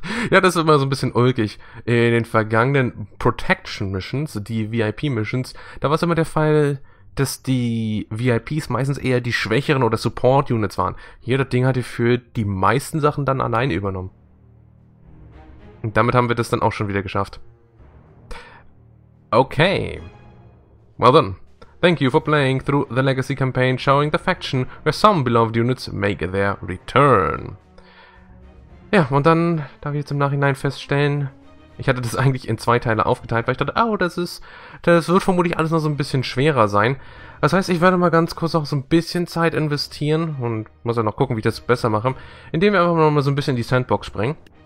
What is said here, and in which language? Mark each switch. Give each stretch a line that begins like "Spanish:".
German: Ja, das ist immer so ein bisschen ulkig. In den vergangenen Protection Missions, die VIP Missions, da war es immer der Fall, dass die VIPs meistens eher die schwächeren oder Support Units waren. Hier, das Ding hat für die meisten Sachen dann allein übernommen. Und damit haben wir das dann auch schon wieder geschafft.
English: Okay. Well then. Thank you for playing through the Legacy Campaign, showing the faction where some beloved units make their return.
German: Ja, und dann darf ich jetzt im Nachhinein feststellen, ich hatte das eigentlich in zwei Teile aufgeteilt, weil ich dachte, oh, das wird vermutlich alles noch so ein bisschen schwerer sein. Das heißt, ich werde mal ganz kurz auch so ein bisschen Zeit investieren und muss ja noch gucken, wie ich das besser mache, indem wir einfach mal so ein bisschen in die Sandbox springen.